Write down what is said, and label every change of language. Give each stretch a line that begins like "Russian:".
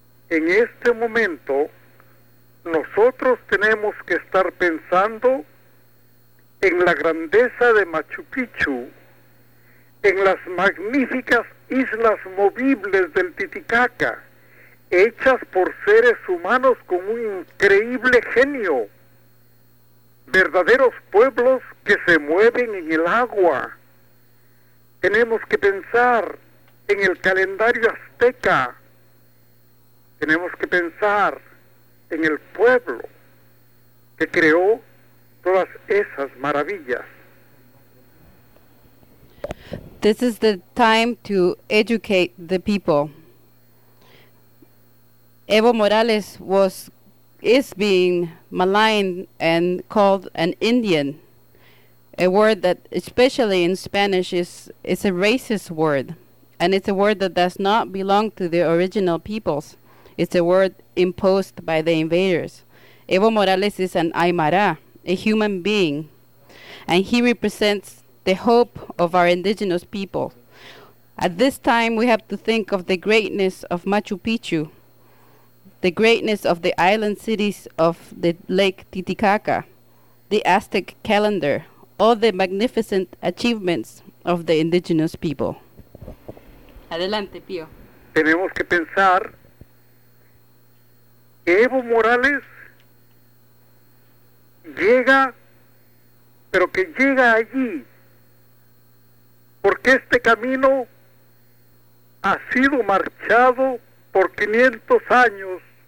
Spanish: En este momento, nosotros tenemos que estar pensando en la grandeza de Machu Picchu, en las magníficas islas movibles del Titicaca, hechas por seres humanos con un increíble genio, verdaderos pueblos que se mueven en el agua. Tenemos que pensar en el calendario azteca. Tenemos que pensar en el pueblo que creó todas esas maravillas.
English: This is the time to educate the people. Evo Morales is being maligned and called an Indian, a word that, especially in Spanish, is a racist word, and it's a word that does not belong to the original peoples. It's a word imposed by the invaders. Evo Morales is an Aymara, a human being, and he represents the hope of our indigenous people. At this time, we have to think of the greatness of Machu Picchu, the greatness of the island cities of the Lake Titicaca, the Aztec calendar, all the magnificent achievements of the indigenous people.
Spanish: Adelante, Pío. Tenemos que pensar que Evo Morales llega, pero que llega allí porque este camino ha sido marchado por 500 años.